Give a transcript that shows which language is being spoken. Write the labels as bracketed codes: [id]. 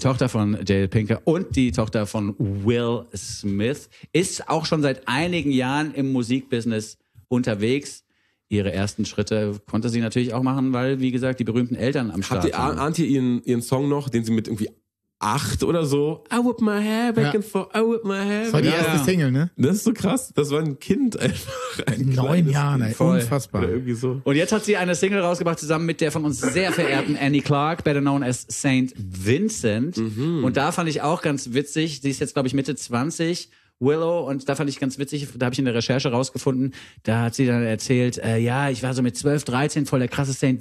[de] Die Tochter von Jada Pinkett und die Tochter von Will Smith ist auch schon seit einigen Jahren im Musikbusiness unterwegs. Ihre ersten Schritte konnte sie natürlich auch machen, weil, wie gesagt, die berühmten Eltern am Start waren. Ahnt ihr ihren Song noch, den sie mit irgendwie 8 oder so? [en] I whip my hair back and forth, I whip my hair. [de] Das war die erste Single, ne? Das ist so krass. Das war ein Kind einfach. 9 Jahren, ey. Voll. Unfassbar. Irgendwie so. Und jetzt hat sie eine Single rausgebracht, zusammen mit der von uns sehr verehrten Annie Clark, [en] better known as Saint Vincent. [de] Mhm. Und da fand ich auch ganz witzig, sie ist jetzt, glaube ich, Mitte 20, Willow, und da fand ich ganz witzig, da habe ich in der Recherche rausgefunden, da hat sie dann erzählt, ich war so mit 12, 13 voll der krasse St.